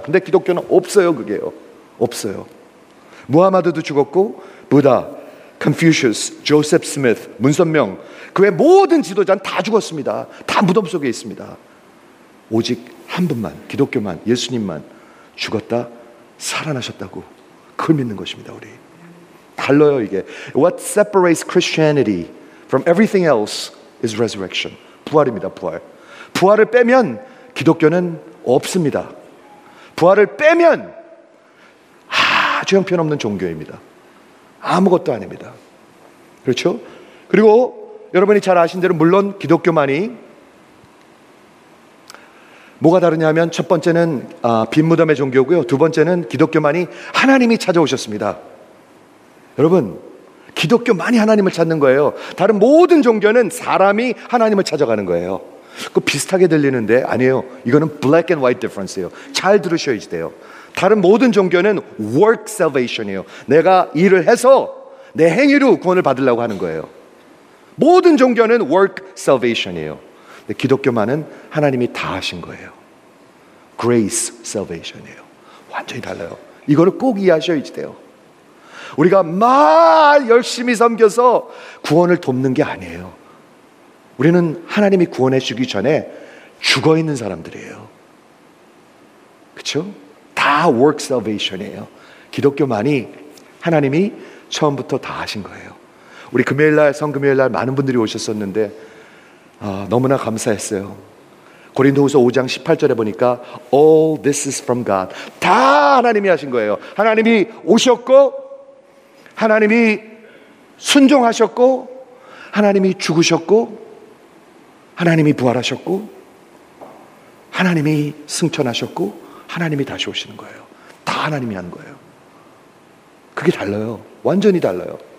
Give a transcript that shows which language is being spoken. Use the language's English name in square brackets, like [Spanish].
[Korean] 근데 기독교는 없어요, 그게요. 없어요. 무하마드도 죽었고 부다, Confucius, Joseph Smith, 문선명, 그 외 모든 지도자는 다 죽었습니다. 다 무덤 속에 있습니다. 오직 한 분만, 기독교만, 예수님만 죽었다 살아나셨다고 그걸 믿는 것입니다, 우리. 달라요, 이게. [English] What separates Christianity from everything else is resurrection. [Korean] 부활입니다, 부활. 부활을 빼면 기독교는 없습니다. 부활을 빼면 아주 형편없는 종교입니다. 아무것도 아닙니다. 그렇죠? 그리고 여러분이 잘 아신 대로 물론 기독교만이 뭐가 다르냐면 첫 번째는 빈무덤의 종교고요. 두 번째는 기독교만이 하나님이 찾아오셨습니다. 여러분 기독교만이 하나님을 찾는 거예요. 다른 모든 종교는 사람이 하나님을 찾아가는 거예요. 그거 비슷하게 들리는데 아니에요. 이거는 [English] black and white difference예요. [Korean] 잘 들으셔야지 돼요. 다른 모든 종교는 [English] work salvation [Korean] 이에요. 내가 일을 해서 내 행위로 구원을 받으려고 하는 거예요. 모든 종교는 [English] work salvation [Korean] 이에요. 근데 기독교만은 하나님이 다 하신 거예요. [English] grace salvation이에요. [Korean] 완전히 달라요. 이거를 꼭 이해하셔야지 돼요. 우리가 막 열심히 섬겨서 구원을 돕는 게 아니에요. 우리는 하나님이 구원해 주기 전에 죽어있는 사람들이에요. 그렇죠? 다 [English] work salvation [Korean] 이에요. 기독교만이 하나님이 처음부터 다 하신 거예요. 우리 금요일날, 성금요일날 많은 분들이 오셨었는데 너무나 감사했어요. 고린도후서 5장 18절에 보니까 [English] All this is from God. [Korean] 다 하나님이 하신 거예요. 하나님이 오셨고 하나님이 순종하셨고 하나님이 죽으셨고 하나님이 부활하셨고 하나님이 승천하셨고 하나님이 다시 오시는 거예요. 다 하나님이 하는 거예요. 그게 달라요. 완전히 달라요.